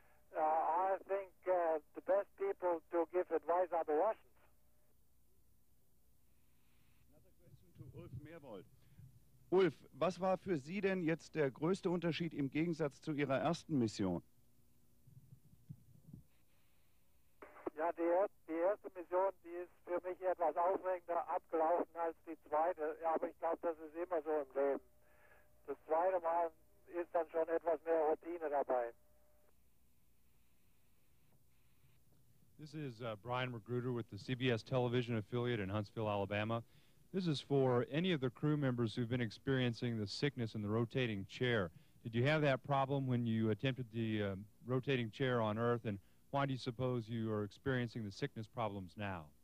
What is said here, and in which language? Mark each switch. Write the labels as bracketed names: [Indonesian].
[English] I think the best people to give advice are the Russians. Another question to Ulf Merbold. [German] Ulf, was war für Sie denn jetzt der größte Unterschied im Gegensatz zu Ihrer ersten Mission? Ja, die erste Mission, die ist für mich etwas aufregender abgelaufen als die zweite. Ja, aber ich glaube, das ist immer so im Leben. Das zweite Mal ist dann schon etwas mehr Routine dabei. [English] This is Brian Magruder with the CBS television affiliate in Huntsville, Alabama. This is for any of the crew members who've been experiencing the sickness in the rotating chair. Did you have that problem when you attempted the rotating chair on Earth, and why do you suppose you are experiencing the sickness problems now?